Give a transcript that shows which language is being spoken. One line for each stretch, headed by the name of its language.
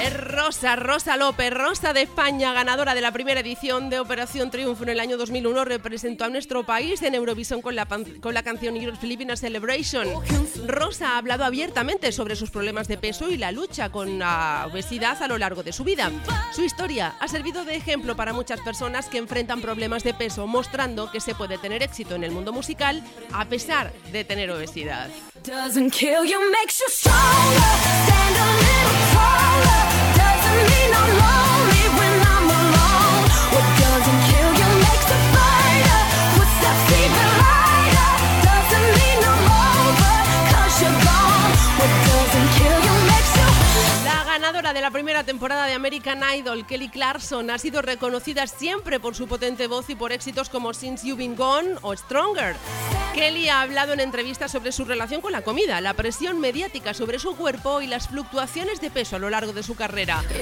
Spanish: Es Rosa, Rosa López, Rosa de España, ganadora de la primera edición de Operación Triunfo en el año 2001, representó a nuestro país en Eurovisión con la canción Your Filipina Celebration. Rosa ha hablado abiertamente sobre sus problemas de peso y la lucha con la obesidad a lo largo de su vida. Su historia ha servido de ejemplo para muchas personas que enfrentan problemas de peso, mostrando que se puede tener éxito en el mundo musical a pesar de tener obesidad.
English: Doesn't kill you, makes you stronger. Stand a little taller. Doesn't mean I'm lonely when I'm alone. What doesn't kill you makes the fighter. What steps even lighter. Doesn't mean I'm over, 'cause you're gone. What doesn't kill you.
Spanish: Ganadora de la primera temporada de American Idol, Kelly Clarkson, ha sido reconocida siempre por su potente voz y por éxitos como Since You've Been Gone o Stronger. Kelly ha hablado en entrevistas sobre su relación con la comida, la presión mediática sobre su cuerpo y las fluctuaciones de peso a lo largo de su carrera.